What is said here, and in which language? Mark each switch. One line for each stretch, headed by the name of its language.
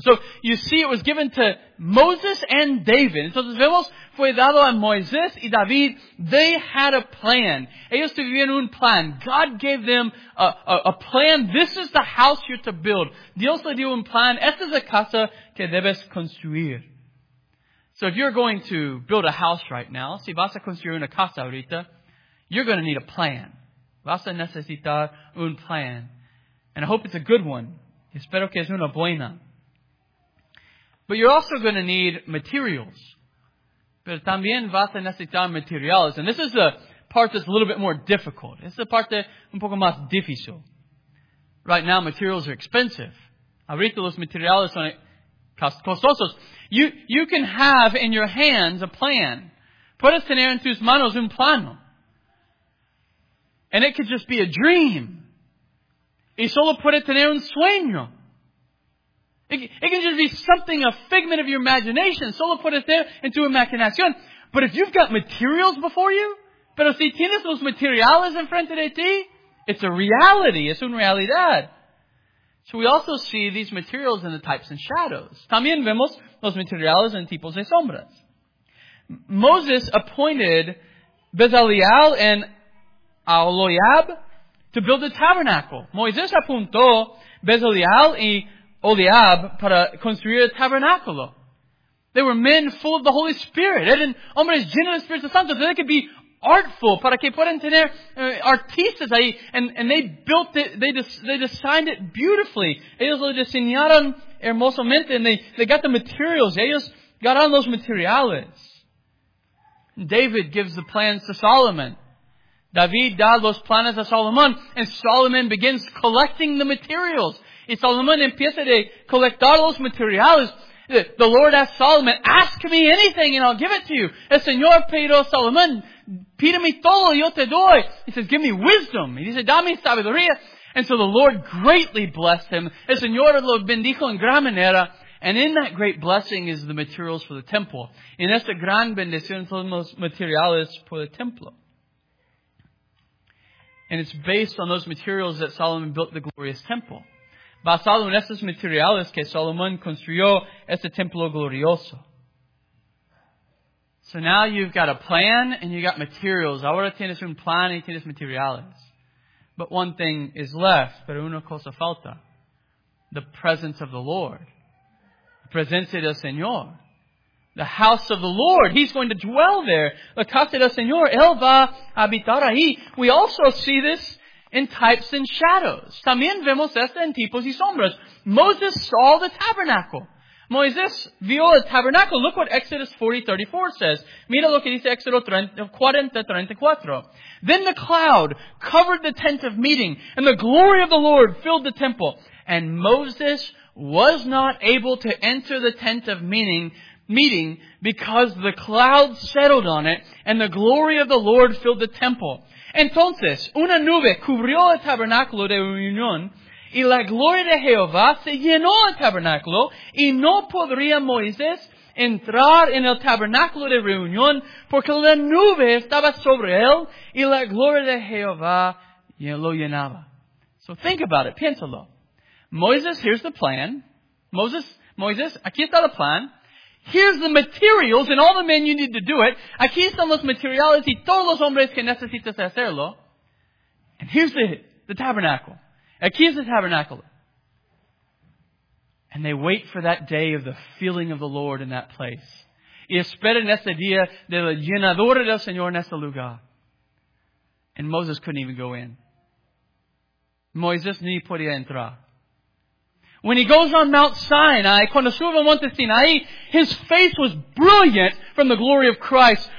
English: So, you see, it was given to Moses and David.
Spanish: Entonces vemos, fue dado a Moisés y David.
English: They had a plan.
Spanish: Ellos tuvieron un plan.
English: God gave them a plan. This is the house you're to build.
Spanish: Dios le dio un plan. Esta es la casa que debes construir.
English: So, if you're going to build a house right now,
Spanish: si vas a construir una casa ahorita,
English: you're going to need a plan.
Spanish: Vas a necesitar un plan.
English: And I hope it's a good one.
Spanish: Espero que es una buena.
English: But you're also going to need materials.
Spanish: Pero también vas a necesitar materiales.
English: And this is the part that's a little bit more difficult.
Spanish: Es la parte un poco más difícil.
English: Right now, materials are expensive.
Spanish: Ahorita los materiales son costosos.
English: You can have in your hands a plan.
Spanish: Puedes tener en tus manos un plano.
English: And it could just be a dream.
Spanish: Y solo puede tener un sueño.
English: It can just be something, a figment of your imagination.
Spanish: Solo puede ser en tu imaginación.
English: But if you've got materials before you,
Spanish: pero si tienes los materiales en frente de ti,
English: it's a reality.
Spanish: Es una realidad.
English: So we also see these materials in the types and shadows.
Spanish: También vemos los materiales en tipos de sombras.
English: Moses appointed Bezaleel and Aholiab to build the tabernacle.
Spanish: Moisés apuntó Bezaleel y Aholiab para construir el tabernáculo.
English: They were men full of the Holy Spirit.
Spanish: Eran hombres llenos del Espíritu Santo.
English: So they could be artful,
Spanish: para que puedan tener artistas ahí.
English: And they built it, they designed it beautifully.
Spanish: Ellos lo diseñaron hermosamente,
English: and they got the materials.
Spanish: Ellos got on los materiales.
English: David gives the plans to Solomon.
Spanish: David da los planes a Solomon,
English: and Solomon begins collecting the materials.
Spanish: Y Solomon empieza de colectar los materiales.
English: The Lord asks Solomon, ask me anything and I'll give it to you.
Spanish: El Señor pidió a Solomon, pídeme todo, yo te doy.
English: He says, give me wisdom. He said,
Spanish: dame sabiduría.
English: And so the Lord greatly blessed him.
Spanish: El Señor lo bendijo en gran manera.
English: And in that great blessing is the materials for the temple.
Spanish: En esta gran bendición son los materiales por el templo.
English: And it's based on those materials that Solomon built the glorious temple.
Spanish: Basado en esos materiales que Solomon construyó este templo glorioso.
English: So now you've got a plan and you've got materials.
Spanish: Ahora tienes un plan y tienes materiales.
English: But one thing is left,
Spanish: pero una cosa falta.
English: The presence of the Lord.
Spanish: La presencia del Señor.
English: The house of the Lord. He's going to dwell there.
Spanish: La casa del Señor. Él va a habitar ahí.
English: We also see this in types and shadows.
Spanish: También vemos esto en tipos y sombras.
English: Moses saw the tabernacle.
Spanish: Moisés vio el tabernacle.
English: Look what Exodus 40:34 says.
Spanish: Mira lo que dice Exodus 40:34.
English: Then the cloud covered the tent of meeting, and the glory of the Lord filled the temple. And Moses was not able to enter the tent of meeting because the cloud settled on it, and the glory of the Lord filled the temple.
Spanish: Entonces, una nube cubrió el tabernáculo de reunión, y la gloria de Jehová se llenó el tabernáculo, y no podría Moisés entrar en el tabernáculo de reunión, porque la nube estaba sobre él, y la gloria de Jehová lo llenaba.
English: So think about it,
Spanish: piénsalo.
English: Moses, here's the plan. Moses,
Spanish: aquí está el plan.
English: Here's the materials and all the men you need to do it.
Spanish: Aquí están los materiales y todos los hombres que necesitas hacerlo.
English: And here's the tabernacle.
Spanish: Aquí es el tabernáculo.
English: And they wait for that day of the feeling of the Lord in that place.
Spanish: Y esperan ese día de la llenadura del Señor en ese lugar.
English: And Moses couldn't even go in.
Spanish: Moisés ni podía entrar.
English: When he goes on Mount Sinai,
Spanish: cuando sube al Monte Sinai,
English: his face was brilliant from the glory of Christ.